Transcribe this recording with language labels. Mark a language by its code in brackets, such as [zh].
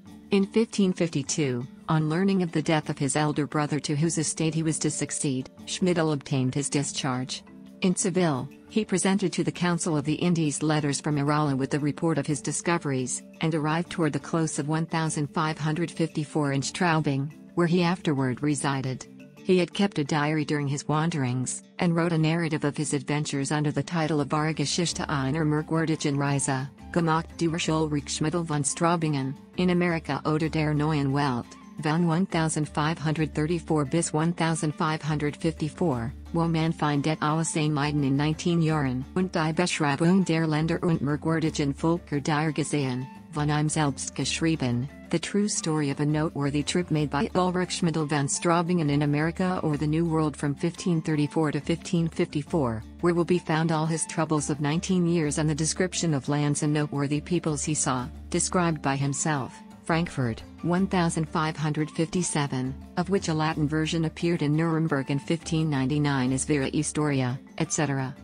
[en] In 1552, on learning of the death of his elder brother to whose estate he was to succeed, Schmidl obtained his discharge. In Seville, he presented to the Council of the Indies letters from Irala with the report of his discoveries, and arrived toward the close of 1554 in Straubing, where he afterward resided. He had kept a diary during his wanderings, and wrote a narrative of his adventures under the title of [de] Vargashishta einer Merkwürdigen Reise, Gemacht durch Ulrich Schmidl von Straubingen, in America oder der Neuen Welt, von 1534 bis 1554, wo man findet alle seine Meiden in 19 Jahren und die Beschreibung der Länder und Merkwürdigen Völker der Gesehen, von ihm selbst geschrieben. [en] The true story of a noteworthy trip made by Ulrich Schmidl von Straubingen in America or the New World from 1534 to 1554, where will be found all his troubles of 19 years and the description of lands and noteworthy peoples he saw, described by himself, Frankfurt, 1557, of which a Latin version appeared in Nuremberg in 1599 as Vera Historia, etc.